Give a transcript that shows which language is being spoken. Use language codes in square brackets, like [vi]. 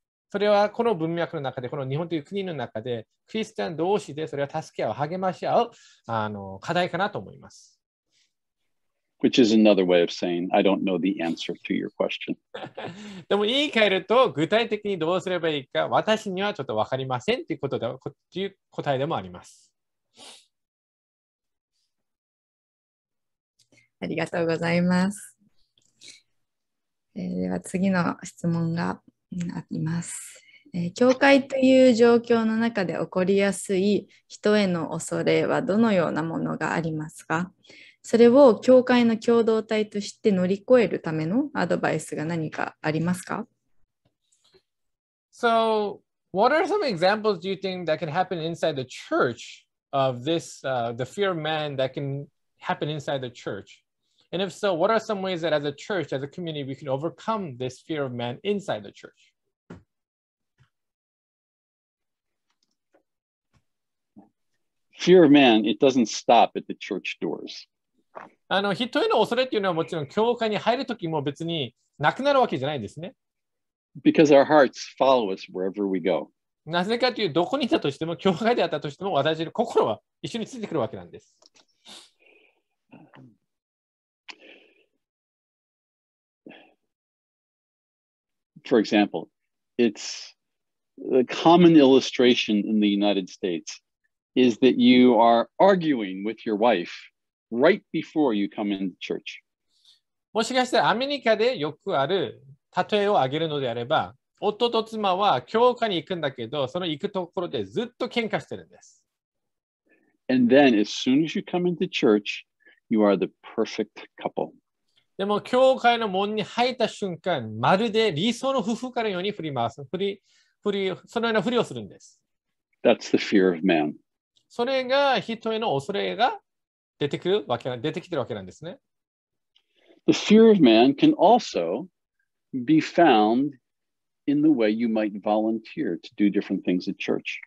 [ja] それはこの文脈の中でこの日本という国の中でクリスチャン同士でそれは助け合う励まし合う課題かなと思います。 [en] Which is another way of saying, I don't know the answer to your question. [ja] でも言い換えると、具体的にどうすればいいか、私にはちょっと分かりませんということで、という答えでもあります。ありがとうございます。では次の質問があります。教会という状況の中で起こりやすい人への恐れはどのようなものがありますか？それを教会の共同体として乗り越えるためのアドバイスが何かありますか？ [en] So, what are some examples do you think that can happen inside the church of this, the fear of man that can happen inside the church? And if so, what are some ways that as a church, as a community, we can overcome this fear of man inside the church? Fear of man, it doesn't stop at the church doors. [ja] 人への恐れというのはもちろん教会に入るときも別になくなるわけじゃないですね。 [en] Because our hearts follow us wherever we go. [ja] なぜかというとどこにいたとしても教会であったとしても私の心は一緒についてくるわけなんです。 [en] For example, it's a common illustration in the United States is that you are arguing with your wife. Right before you come into church. [ja] もしかしてアメリカでよくある例えを挙げるのであれば、夫と妻は教会に行くんだけど、その行くところでずっと喧嘩してるんです。 [en] And then, as soon as you come into church, you are the perfect couple. [ja] でも教会の門に入った瞬間、まるで理想の夫婦かのように振り回す、そのような振りをするんです。 [en] That's the fear of man. [ja] それが人への恐れが出てきてるわけなんですね。 [en] The fear of man can also be found in the way you might volunteer to do different things at church.